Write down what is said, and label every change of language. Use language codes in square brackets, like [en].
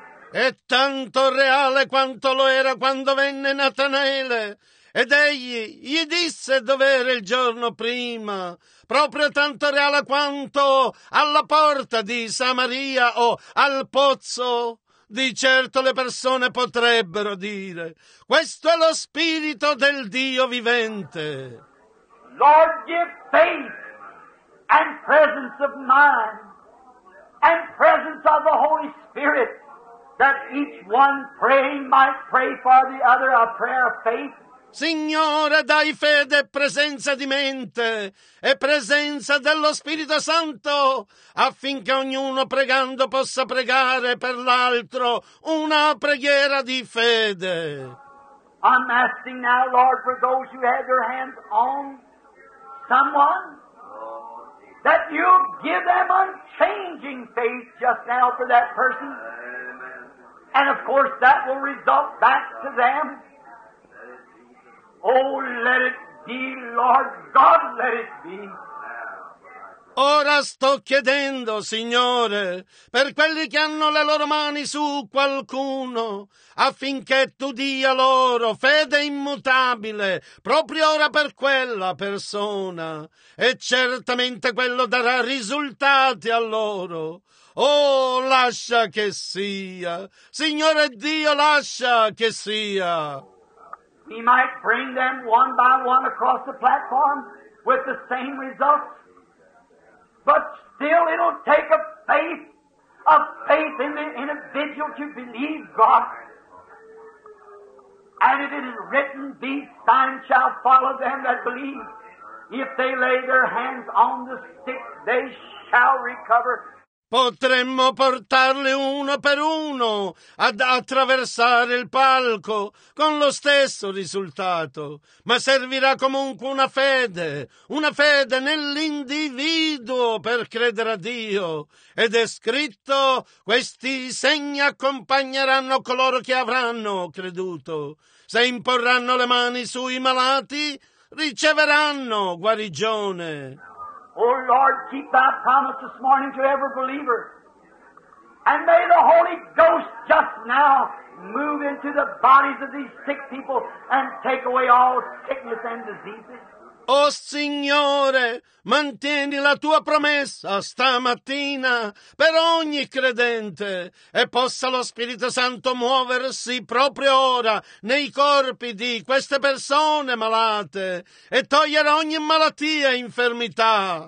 [it] È tanto reale quanto lo era quando venne Natanaele ed egli gli disse dov'era il giorno prima. Proprio tanto reale quanto alla porta di Samaria o al pozzo. Di certo le persone potrebbero dire, questo è lo Spirito del Dio vivente. [en] Lord, give faith and presence of mind. And presence of the Holy Spirit, that each one praying might pray for the other a prayer of faith. [it] Signore, dai fede e presenza di mente e presenza dello Spirito Santo, affinché ognuno pregando possa pregare per l'altro una preghiera di fede. [en] I'm asking now, Lord, for those who have their hands on someone, that you give them unchanging faith just now for that person. Amen. And of course that will result back to them. Oh, let it be, Lord God, let it be. [it] Ora sto chiedendo, Signore, per quelli che hanno le loro mani su qualcuno, affinché tu dia loro fede immutabile, proprio ora per quella persona, e certamente quello darà risultati a loro. Oh, lascia che sia! Signore Dio, lascia che sia! [en] We might bring them one by one across the platform with the same results. But still it'll take a faith in the individual to believe God. And it is written, these signs shall follow them that believe. If they lay their hands on the sick, they shall recover. [it] Potremmo portarli uno per uno ad attraversare il palco con lo stesso risultato, ma servirà comunque una fede nell'individuo per credere a Dio. Ed è scritto, questi segni accompagneranno coloro che avranno creduto. Se imporranno le mani sui malati, riceveranno guarigione. [en] Oh Lord, keep thy promise this morning to every believer. And may the Holy Ghost just now move into the bodies of these sick people and take away all sickness and diseases. [it] Oh Signore, mantieni la tua promessa stamattina per ogni credente e possa lo Spirito Santo muoversi proprio ora nei corpi di queste persone malate e togliere ogni malattia e infermità.